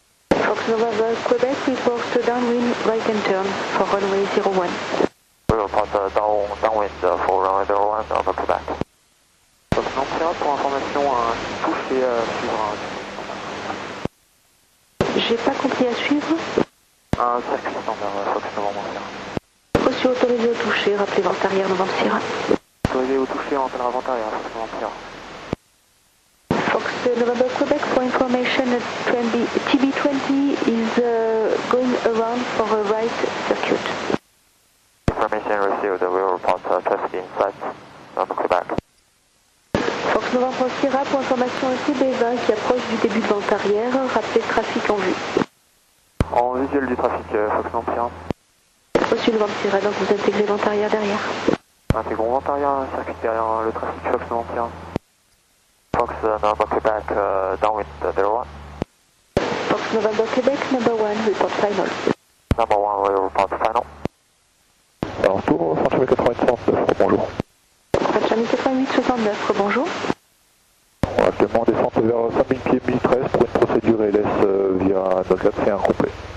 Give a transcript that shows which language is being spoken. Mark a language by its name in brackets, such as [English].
[English] Fox Nova Quebec, report downwind right and turn for runway 01. We report downwind for runway 01, Nova Quebec. [French] Fox Nova pour information, touche et suivre. J'ai pas compris à suivre. Un circuit standard, Fox Nova Quebec. Reçu autorisé au toucher, rappelez vent arrière, Nova Sierra. Autorisé au toucher, rappelez vent arrière, Fox Nova Sierra. [English] Fox November Quebec for information, TB20 is going around for a right circuit. Information received, we will report traffic inside November Quebec. [French] Fox November Sierra pour information, TB20 qui approche du début de vent arrière, rappelez trafic en vue. En visuel du trafic, Fox November Sierra. Reçu le vent Sierra, donc vous intégrez vent arrière derrière. Intégrons vent arrière, circuit derrière le trafic Fox November Sierra. [English] Fox November Quebec, downwind 01. Fox November Quebec, number 1, report final. Number 1, we report final. [French] Alors, tour, Saint-Charles 89, bonjour. Saint-Charles 88-69, bonjour. On va actuellement descendre vers 5000 pieds 1013 pour une procédure ALS via 2-4-1 complet.